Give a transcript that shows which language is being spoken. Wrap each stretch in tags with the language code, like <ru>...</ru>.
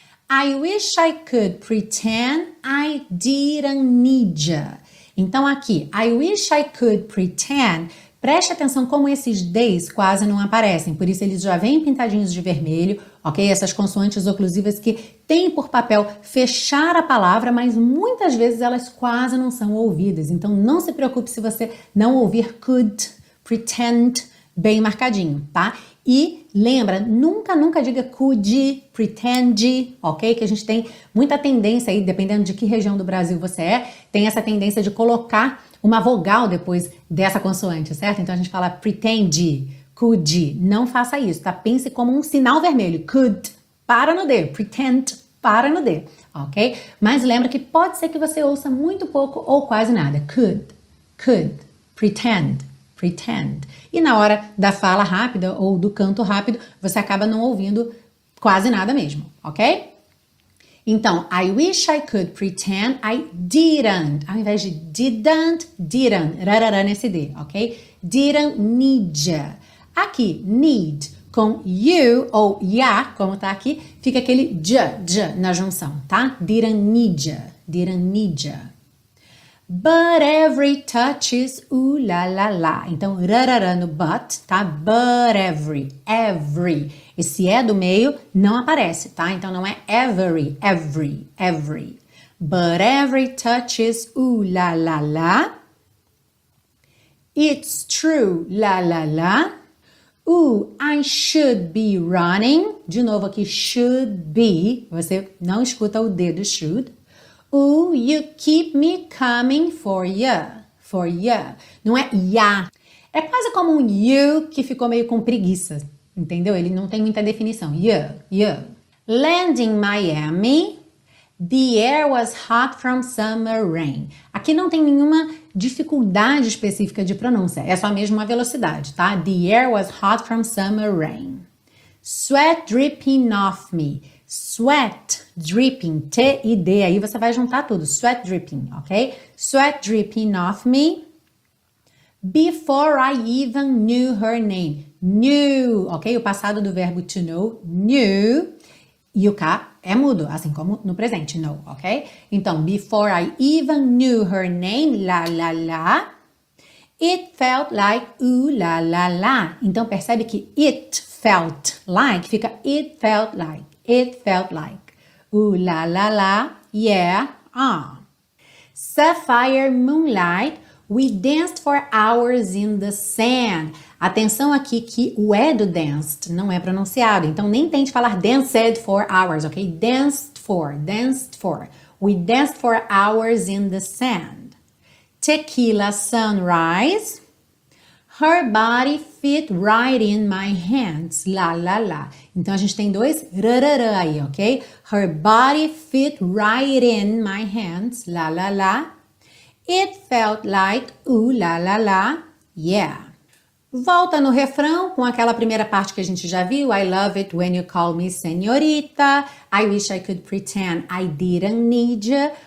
<en>I wish I could pretend I didn't need you.</en> <pt>Então aqui,</pt> <en>I wish I could pretend.</en> <pt>Preste atenção como esses D's quase não aparecem, por isso eles já vêm pintadinhos de vermelho, ok? Essas consoantes oclusivas que têm por papel fechar a palavra, mas muitas vezes elas quase não são ouvidas. Então não se preocupe se você não ouvir could, pretend, bem marcadinho, tá? E lembra, nunca, nunca diga could, pretend, ok? Que a gente tem muita tendência aí, dependendo de que região do Brasil você é, tem essa tendência de colocar uma vogal depois dessa consoante, certo? Então a gente fala pretend, could, não faça isso, tá? Pense como um sinal vermelho, could, para no D, pretend, para no D, ok? Mas lembra que pode ser que você ouça muito pouco ou quase nada, could, could, pretend, pretend. E na hora da fala rápida ou do canto rápido, você acaba não ouvindo quase nada mesmo, ok?</pt> <en>Então, I wish I could pretend I didn't,</en> <pt>ao invés de</pt> <en>didn't, didn't,</en> <pt>rarara nesse D, ok?</pt> <en>Didn't need ya.</en> <pt>Aqui, need, com you ou ya, como tá aqui, fica aquele j na junção, tá?</pt> <en>Didn't need ya, didn't need ya. But every touch is ooh la la la.</en> <pt>Então, rarara no but, tá?</pt> <en>But every, every.</en> <pt>Esse é do meio, não aparece, tá? Então, não é every, every, every.</pt> <en>But every touch is ooh la la la. It's true, la la la. Ooh, I should be running.</en> <pt>De novo aqui, should be. Você não escuta o D do should.</pt> <en>Ooh, you keep me coming for ya, for ya.</en> <pt>Não é ya. É quase como um you que ficou meio com preguiça, entendeu? Ele não tem muita definição.</pt> <en>Ya, ya. Land in Miami, the air was hot from summer rain.</en> <pt>Aqui não tem nenhuma dificuldade específica de pronúncia. É só mesmo uma velocidade, tá?</pt> <en>The air was hot from summer rain. Sweat dripping off me. Sweat dripping,</en> <pt>T e D, aí você vai juntar tudo,</pt> <en>sweat dripping,</en> <pt>ok?</pt> <en>Sweat dripping off me, before I even knew her name, knew, ok?</en> <pt>O passado do verbo to know, knew, e o K é mudo, assim como no presente, know, ok? Então,</pt> <en>before I even knew her name, la la la, it felt like ooh la la la,</en> <pt>então percebe que</pt> <en>it felt like, fica it felt like. It felt like, ooh la la la, yeah, ah. Sapphire moonlight, we danced for hours in the sand.</en> <pt>Atenção aqui que o E do danced não é pronunciado, então nem tente falar danced for hours, ok?</pt> <en>Danced for, danced for. We danced for hours in the sand. Tequila sunrise, her body fit right in my hands, la la la.</en> <pt>Então a gente tem dois rarara aí, ok?</pt> <en>Her body fit right in my hands, la la</en> <pt>la.</pt> <en>It felt like ooh la la la, yeah.</en> <pt>Volta no refrão com aquela primeira parte que a gente já viu.</pt> <en>I love it when you call me senhorita. I wish I could pretend I didn't need ya.</en>